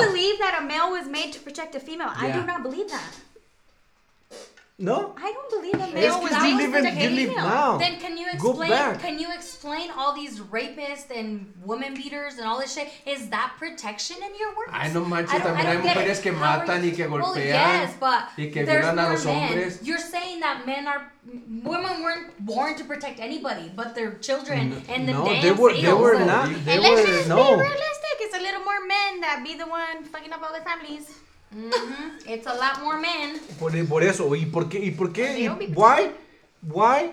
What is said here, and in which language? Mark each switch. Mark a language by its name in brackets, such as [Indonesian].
[English] You believe that a male was made to protect a female. Yeah. I do not believe that. No? I don't believe a male was made to protect a female. Now. Then can you explain all these rapists and women beaters and all this shit? Is that protection in your words? [Spanish] Ay, no manches, también hay mujeres que matan y que golpean. [English] Well, yes, but there's more men. You're saying that men are... Women weren't born to protect anybody, but their children and the damn they were, they were not. They and were, let's just no. be realistic. It's a little more men that be the one fucking up all the families. It's a lot more men. [Spanish] Por eso, ¿y por qué? Why?